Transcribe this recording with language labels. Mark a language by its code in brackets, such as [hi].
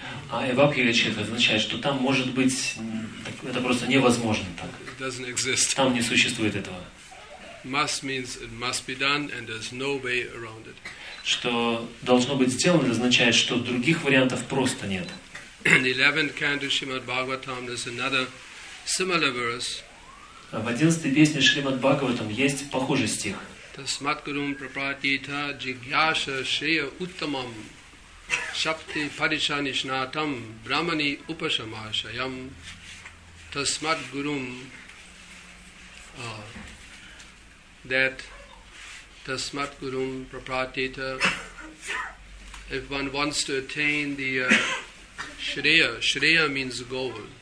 [ru] А evabhigachit означает, что там может быть, это просто невозможно так. [en] It doesn't exist. [ru] Там не существует этого. [en] Must means it must be done, and there's no way around it. [ru] Что должно быть сделано, означает, что других вариантов просто нет. [en] In the 11th canto Shrimad Bhagavatam, there's another similar verse. [ru] В 11-й песне Шримад Бхагаватам есть похожий стих. [sa] Тасмат гурум прапратита джигьяша шрея уттамам шапти паришанишнатам брамани упашамашаям тасмат гурум that тасмат гурум прапратита [en] if one wants to attain the shreya, shreya means goal.